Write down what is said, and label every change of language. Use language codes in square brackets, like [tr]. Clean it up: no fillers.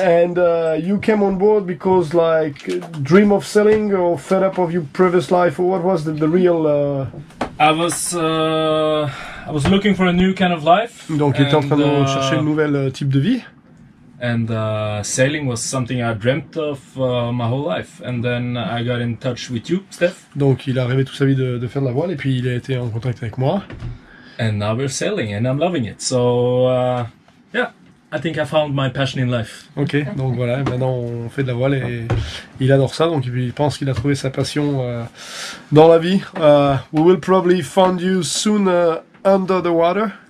[en] And you came on board because, like, dream of sailing or fed up of your previous life, or what was the real? I was looking for a new kind of life. [fr] Donc, il était en train de chercher un nouvel type de vie. [en] And sailing was something I dreamt of my whole life. And then I got in touch with you, Steph. [fr] Donc, il a rêvé toute sa vie de faire de la voile, et puis il a été en contact avec moi. [en] And now we're sailing, and I'm loving it. So, I think I found my passion in life. [fr] Ok, donc voilà, maintenant on fait de la voile et il adore ça, donc il pense qu'il a trouvé sa passion dans la vie. [en] We will probably find you soon under the water.